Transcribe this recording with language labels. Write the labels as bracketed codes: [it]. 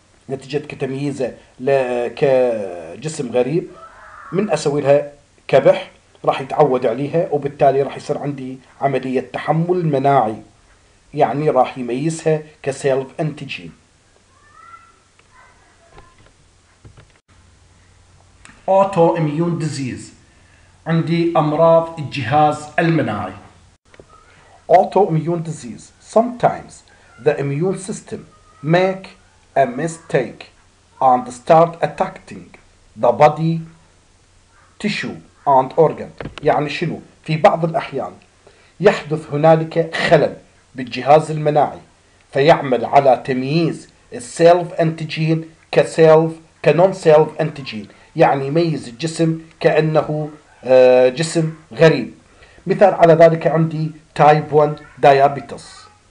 [ar] نتيجة كتمييزه كجسم غريب من أسوي لها كبح راح يتعود عليها وبالتالي راح يصير عندي عملية تحمل مناعي يعني راح يميزها كسيلف أنتيجين [en] autoimmune disease [ar] عندي أمراض الجهاز المناعي [en] Autoimmune disease. Sometimes the immune system make a mistake and start attacking the body tissue and organ. [ar] يعني شنو؟ في بعض الأحيان يحدث هنالك خلل بالجهاز المناعي فيعمل على تمييز السيلف أنتيجين كسيلف كنون سيلف أنتيجين يعني يميز الجسم كأنه جسم غريب مثال على ذلك عندي type 1 diabetes